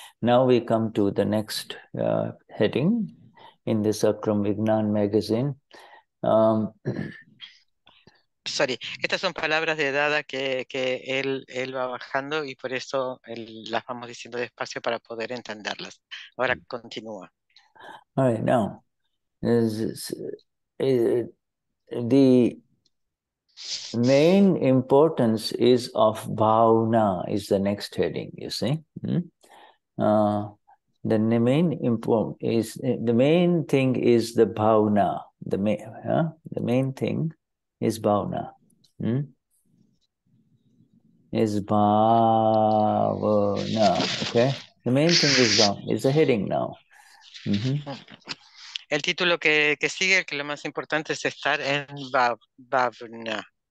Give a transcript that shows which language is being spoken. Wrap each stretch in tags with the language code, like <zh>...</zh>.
<en>Now we come to the next heading in this Akram Vignan magazine. Sorry.</en> <es>Estas son palabras de Dada que él va bajando y por eso las vamos diciendo despacio para poder entenderlas. Ahora continúa.</es> <en>All right. Now. The main importance is of bhavana is the next heading, you see. The main thing is bhavana. Is bhavana, okay? The main thing is bhavana, is the heading now. Mm-hmm.</en> <es>El título que sigue, que lo más importante es estar en bhavana.</es>